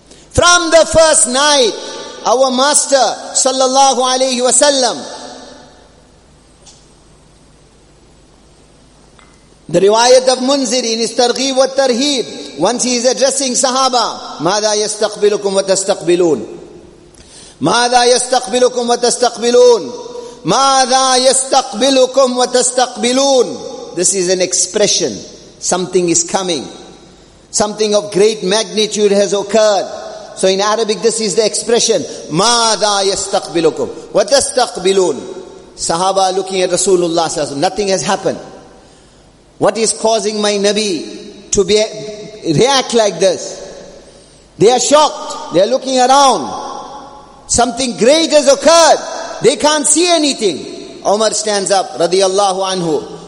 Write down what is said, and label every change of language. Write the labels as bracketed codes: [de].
[en] From the first night, our master sallallahu alayhi wasallam, the riwayat of Munzir in his targhib wa tarheeb, once he is addressing sahaba, [ar] ماذا يستقبلكم وتستقبلون ماذا يستقبلكم وتستقبلون [en] ماذا يستقبلكم وتستقبلون. This is an expression. Something is coming. Something of great magnitude has occurred. So in Arabic, this is the expression. [ar] ماذا يستقبلكم وتستقبلون. [en] Sahaba looking at Rasulullah says, nothing has happened. What is causing my Nabi to be react like this? They are shocked. They are looking around. Something great has occurred. They can't see anything. Umar stands up, radiyallahu anhu.